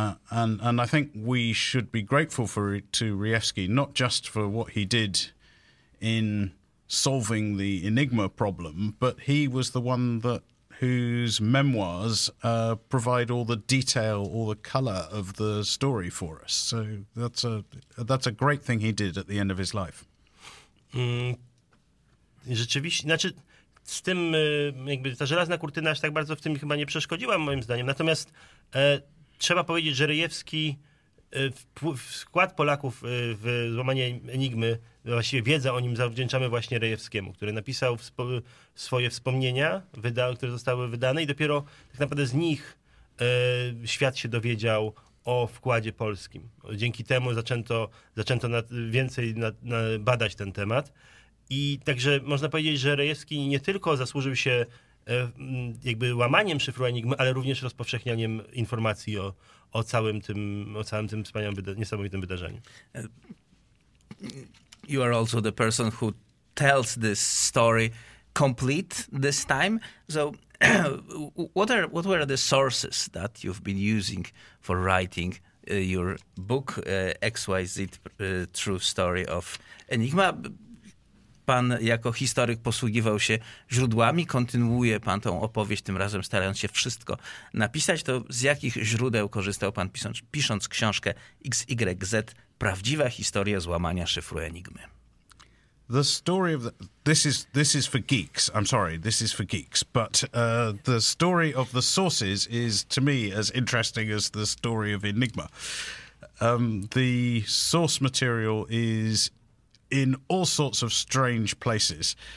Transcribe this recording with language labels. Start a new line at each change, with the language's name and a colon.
English: And I think we should be grateful to Rejewski, not just for what he did in solving the Enigma problem, but he was the one whose memoirs provide all the detail, all the colour of the story for us. So that's a great thing he did at the end of his life.
Polish: Rzeczywiście, znaczy z tym, jakby ta żelazna kurtyna aż tak bardzo w tym chyba nie przeszkodziła moim zdaniem. Natomiast trzeba powiedzieć, że Rejewski, skład Polaków w złamanie Enigmy, właściwie wiedza o nim zawdzięczamy właśnie Rejewskiemu, który napisał swoje wspomnienia, które zostały wydane, i dopiero tak naprawdę z nich świat się dowiedział o wkładzie polskim. Dzięki temu zaczęto więcej badać ten temat. I także można powiedzieć, że Rejewski nie tylko zasłużył się jakby łamaniem szyfru Enigmy, ale również rozpowszechnianiem informacji o całym tym wspaniałym, niesamowitym wydarzeniu.
English: You are also the person who tells this story complete this time. So what were the sources that you've been using for writing your book XYZ True Story of Enigma?
Polish: Pan jako historyk posługiwał się źródłami, kontynuuje pan tą opowieść, tym razem starając się wszystko napisać. To z jakich źródeł korzystał pan, pisząc książkę XYZ, prawdziwa historia złamania szyfru Enigmy?
English: The story of this is for geeks. I'm sorry, this is for geeks. But the story of the sources is to me as interesting as the story of Enigma. The source material is in all sorts of strange places.